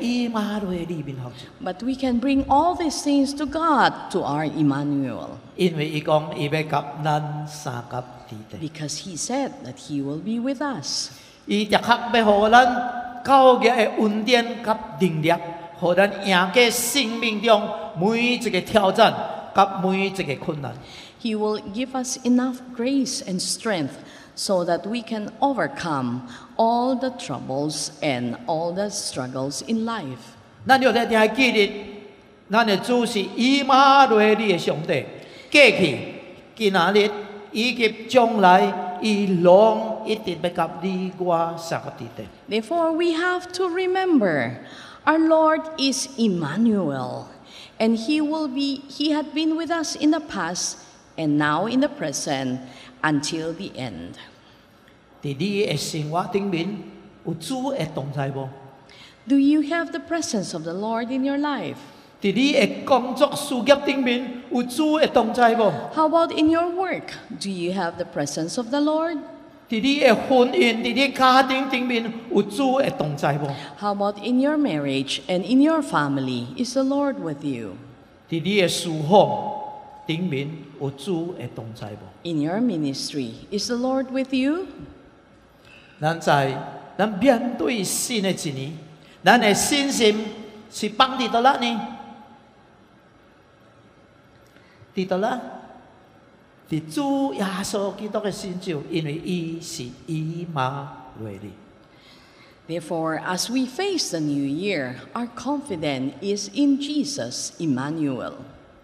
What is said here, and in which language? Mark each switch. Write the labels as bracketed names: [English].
[English] But we can bring all these things to God, to our Emmanuel. Because he said that he will be with us. He will give us the power and the power. [Min Nan Chinese] 予咱赢过生命中每一个挑战，甲每一个困难。 [English] He will give us enough grace and strength so that we can overcome all the troubles and all the struggles in life. [Min Nan Chinese] 咱要在听记得，咱的主是以马内利的上帝，过去、今仔日以及将来，伊拢一直要甲你我相合伫底。 [English] Therefore, we have to remember. Our Lord is Emmanuel, and He had been with us in the past, and now in the present, until the end. [Min Nan Chinese] 在你的生活顶面，有主的同在无？ [English] Do you have the presence of the Lord in your life? [Min Nan Chinese] 在你的工作事业顶面，有主的同在无？ [English] How about in your work? Do you have the presence of the Lord? [Min Nan Chinese] 在你的婚姻，在你家庭顶面，有主的同在无 [English] ？How about in your marriage and in your family? Is the Lord with you? [Min Nan Chinese] 在你的侍奉顶面，有主的同在无 [English] ？In your ministry, is the Lord with you? [Min Nan Chinese] 咱在咱面对新的一年，咱的信心是放伫倒啦呢？伫倒啦？在主耶稣基督的心中，因为伊是以马内利。 [English] Therefore, as we face the new year, our confidence is in Jesus, Emmanuel.